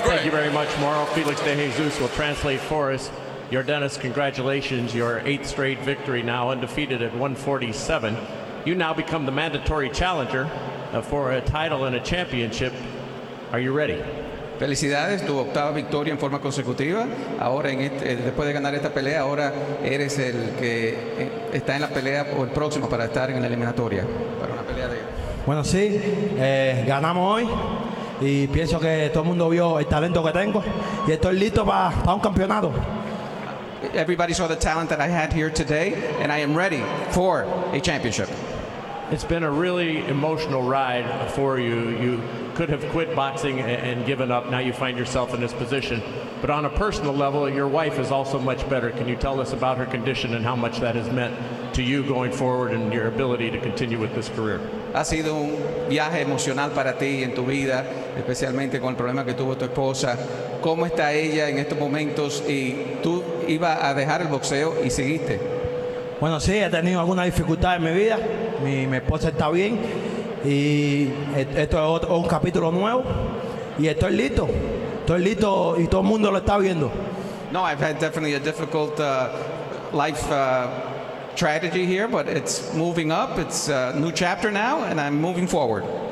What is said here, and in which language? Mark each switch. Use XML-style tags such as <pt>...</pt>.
<en>thank you very much, Mauro. Felix de Jesus will translate for us. Yordenis, congratulations. Your eighth straight victory, now undefeated at 147. You now become the mandatory challenger for a title and a championship. Are you ready?</en> <es>Felicidades, tu octava victoria en forma consecutiva. Ahora, después de ganar esta pelea, ahora eres el que está en la pelea o el próximo para estar en la eliminatoria. Para una pelea de... Bueno, sí, ganamos hoy. Y pienso que todo el mundo vio el talento que tengo y estoy listo para un campeonato.</es> <en>Everybody saw the talent that I had here today, and I am ready for a championship. It's been a really emotional ride for you. You could have quit boxing and given up. Now you find yourself in this position. But on a personal level, your wife is also much better. Can you tell us about her condition and how much that has meant to you going forward and your ability to continue with this career?</en> <es>Ha sido un viaje emocional para ti en tu vida, especialmente con el problema que tuvo tu esposa. ¿Cómo está ella en estos momentos? Y tú ibas a dejar el boxeo y seguiste. Bueno, sí, he tenido alguna dificultad en mi vida. Mi esposa está bien. Y esto es otro, un capítulo nuevo. Y estoy listo. Estoy listo y todo el mundo lo está viendo.</es> <en>No, I've had definitely a difficult life tragedy here, but it's moving up. It's a new chapter now, and I'm moving forward.</en>